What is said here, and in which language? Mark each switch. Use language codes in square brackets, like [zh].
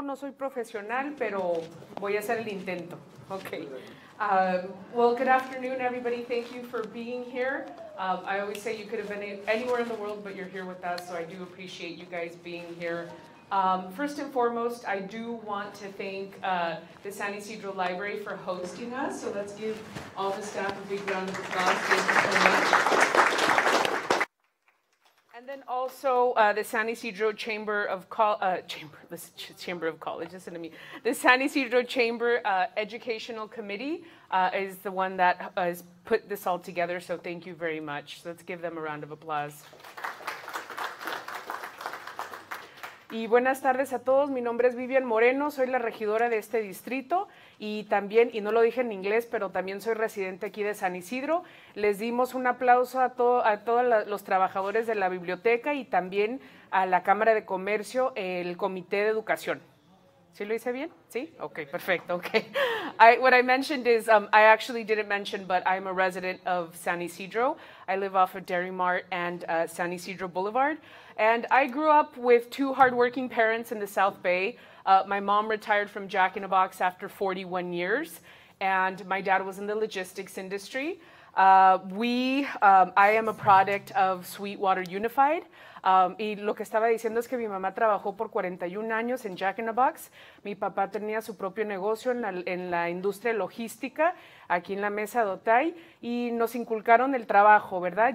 [es] No soy profesional, pero voy a hacer el intento. [en] Okay. Well, good afternoon, everybody. Thank you for being here. I always say you could have been anywhere in the world, but you're here with us, so I do appreciate you guys being here. First and foremost, I do want to thank the San Ysidro Library for hosting us, so let's give all the staff a big round of applause. Thank you so much. And then also the San Ysidro Chamber of the San Ysidro Chamber Educational Committee is the one that is put this all together, so thank you very much. Let's give them a round of applause. [es] Y buenas tardes a todos. Mi nombre es Vivian Moreno. Soy la regidora de este distrito y también, y no lo dije en inglés, pero también soy residente aquí de San Isidro. Les dimos un aplauso a todos los trabajadores de la biblioteca y también a la Cámara de Comercio, el Comité de Educación. ¿Sí lo hice bien? ¿Sí? Ok, perfecto. Okay. [en] What I mentioned is, I actually didn't mention, but I'm a resident of San Isidro. I live off of Dairy Mart and San Isidro Boulevard. And I grew up with two hardworking parents in the South Bay. My mom retired from Jack in a Box after 41 years, and my dad was in the logistics industry. I am a product of Sweetwater Unified. [es] Y lo que estaba diciendo es que mi mamá trabajó por 41 años en Jack in a Box. Mi papá tenía su propio negocio en la industria logística, aquí en la mesa de Otay, y nos inculcaron el trabajo, ¿verdad?